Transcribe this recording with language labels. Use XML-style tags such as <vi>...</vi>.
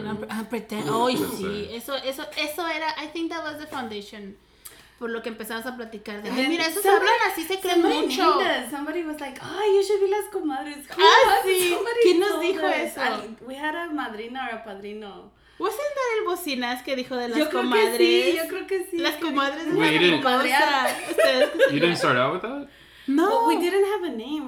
<es>Eso era,</es> <en>I think that was the foundation.</en> <es>Por lo que empezamos a platicar de, mira, esos hablan así, se creen mucho.</es> <en>Somebody was like, oh, you should be</en> <es>las comadres. ¿Quién nos dijo eso?</es> <en>We had a madrina or a padrino. ¿Wasn't that</en> <es>el bocinas que dijo de las comadres? Yo creo que sí. Las comadres de la comadreada.</es> <en>You didn't start out with that? No, but we didn't have a name.</en>